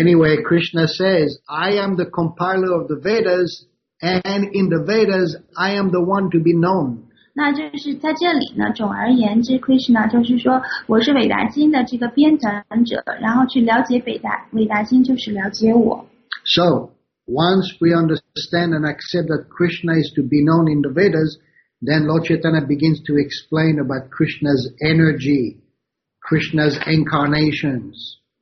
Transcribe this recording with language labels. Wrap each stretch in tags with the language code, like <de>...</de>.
<en>Anyway, Krishna says, I am the compiler of the Vedas, and in the Vedas, I am the one to be known.</en> <zh>那就是在这里呢，总而言之 ，Krishna 就是说，我是伟达经的这个编纂者，然后去了解伟达经就是了解我。</zh> <en>So, once we understand and accept that Krishna is to be known in the Vedas,Then Lord Chaitanya begins to explain about Krishna's energy, Krishna's incarnations.</en>